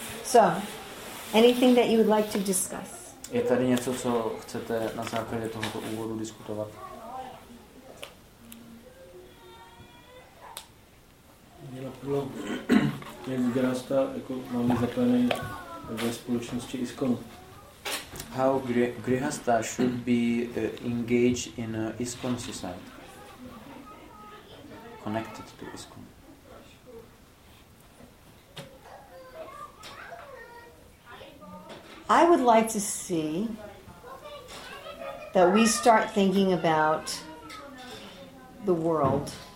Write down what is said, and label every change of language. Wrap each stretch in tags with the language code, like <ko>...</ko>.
<en>So, anything that you would like to discuss?</en> <cs>Je tady něco, co chcete na základě tohoto úvodu diskutovat? Mě napadlo, jak grihastha jako máme zakladané ve společnosti ISKCON.</cs> <en>How grihastha should be engaged in ISKCON society? Connected to ISKCON. I would like to see that we start thinking about the world.</en>